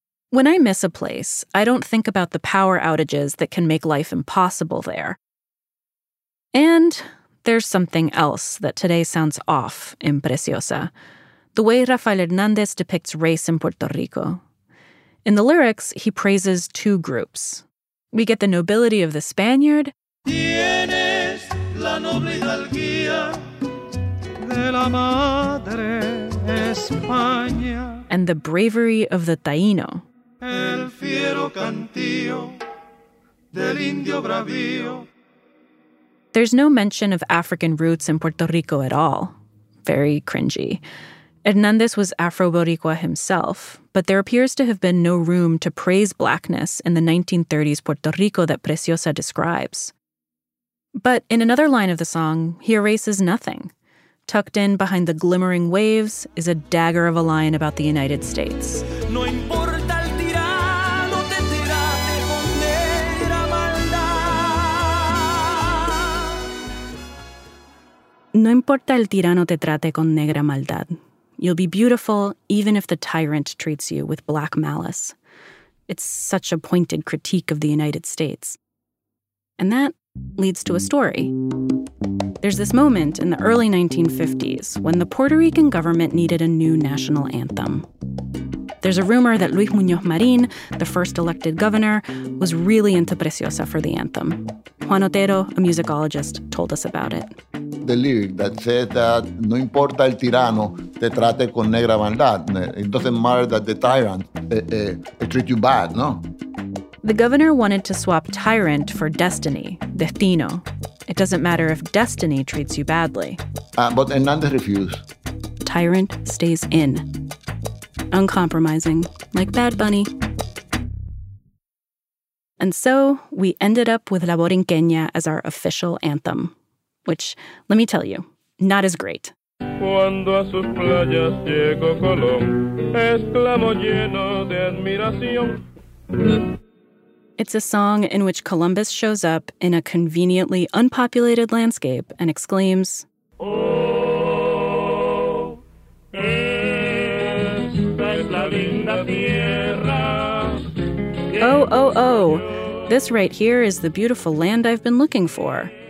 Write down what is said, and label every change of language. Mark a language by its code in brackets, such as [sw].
[en] When I miss a place, I don't think about the power outages that can make life impossible there. And there's something else that today sounds off in Preciosa. The way Rafael Hernandez depicts race in Puerto Rico. In the lyrics, he praises two groups. We get the nobility of the Spaniard. [es] Tienes la noble hidalguía de la madre España. [en] And the bravery of the Taíno. [es] El fiero cantío del indio bravío. [en] There's no mention of African roots in Puerto Rico at all. Very cringy. Hernandez was Afro-Boricua himself, but there appears to have been no room to praise blackness in the 1930s Puerto Rico that Preciosa describes. But in another line of the song, he erases nothing. Tucked in behind the glimmering waves is a dagger of a line about the United States. [es] No importa el tirano, te tirate con la maldad. No importa el tirano, te trate con negra maldad. [en] You'll be beautiful even if the tyrant treats you with black malice. It's such a pointed critique of the United States. And that leads to a story. There's this moment in the early 1950s when the Puerto Rican government needed a new national anthem. There's a rumor that Luis Muñoz Marín, the first elected governor, was really into Preciosa for the anthem. Juan Otero, a musicologist, told us about it. The lyric that said that [es] no importa el tirano te trate con negra maldad. [en] It doesn't matter that the tyrant treat you bad, no? The governor wanted to swap tyrant for destiny, destino. It doesn't matter if destiny treats you badly. But Hernandez refused. Tyrant stays in. Uncompromising, like Bad Bunny. And so, we ended up with La Borinquena as our official anthem. Which, let me tell you, not as great. [es] Cuando a sus playas llegó Colón, exclamó lleno de admiración. [en] It's a song in which Columbus shows up in a conveniently unpopulated landscape and exclaims, [es] oh, es la linda tierra. [en] Oh, oh, oh, this right here is the beautiful land I've been looking for.